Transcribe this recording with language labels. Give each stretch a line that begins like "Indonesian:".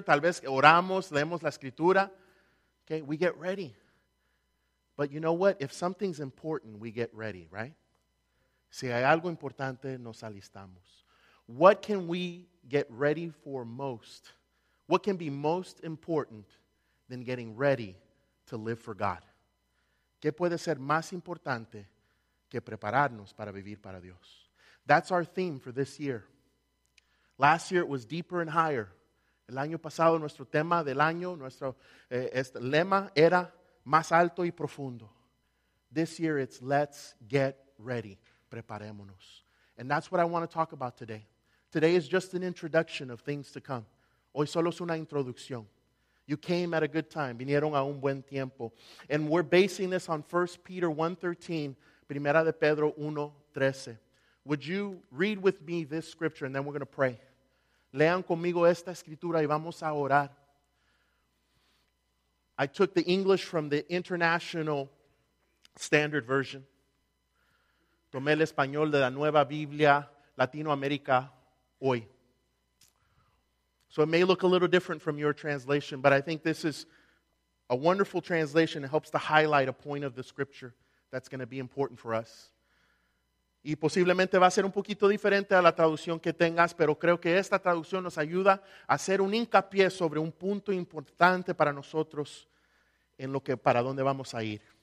Spanish: Tal vez oramos, leemos la escritura.
English: Okay, we get ready. But you know what? If something's important, we get ready, right?
Spanish: Si hay algo importante, nos alistamos.
English: What can we get ready for most? What can be most important than getting ready to live for God?
Spanish: ¿Qué puede ser más importante que prepararnos para vivir para Dios?
English: That's our theme for this year. Last year it was deeper and higher.
Spanish: El año pasado nuestro tema del año, nuestro lema era más alto y profundo.
English: This year it's let's get ready.
Spanish: Preparémonos.
English: And that's what I want to talk about today. Today is just an introduction of things to come.
Spanish: Hoy solo es una introducción.
English: You came at a good time.
Spanish: Vinieron a un buen tiempo.
English: And we're basing this on 1 Peter 1:13,
Spanish: Primera de Pedro 1:13.
English: Would you read with me this scripture and then we're going to pray?
Spanish: Lean conmigo esta escritura y vamos a orar.
English: I took the English from the International Standard Version.
Spanish: Tomé el español de la Nueva Biblia Latinoamérica hoy.
English: So it may look a little different from your translation, but I think this is a wonderful translation. It helps to highlight a point of the scripture that's going to be important for us.
Spanish: Y posiblemente va a ser un poquito diferente a la traducción que tengas, pero creo que esta traducción nos ayuda a hacer un hincapié sobre un punto importante para nosotros en lo que para dónde vamos a ir.